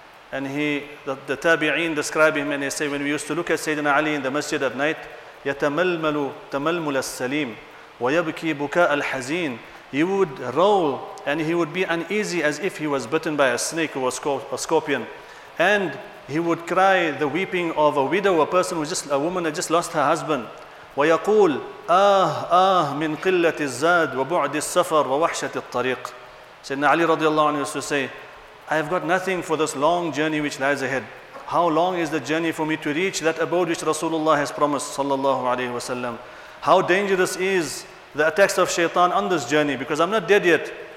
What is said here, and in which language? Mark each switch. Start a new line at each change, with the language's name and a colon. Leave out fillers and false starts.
English: And the tabi'een describe him, and they say, when we used to look at Sayyidina Ali in the masjid at night,
Arabic: يَتَمَلْمَلُ تَمَلْمُلَ السَّلِيمُ وَيَبْكِي بُكَاءَ الْحَزِينَ.
English: He would roll and he would be uneasy as if he was bitten by a snake or a scorpion. And he would cry the weeping of a widow, a woman that just lost her husband.
Arabic: ويقول آه آه من قلة الزاد وبعد السفر ووحشة الطريق.
English: Sayyidina Ali
Arabic: رضي الله عنه
English: used to say, I have got nothing for this long journey which lies ahead. How long is the journey for me to reach that abode which Rasulullah has promised sallallahu alayhi wasallam? How dangerous is the attacks of shaitan on this journey, because I'm not dead yet.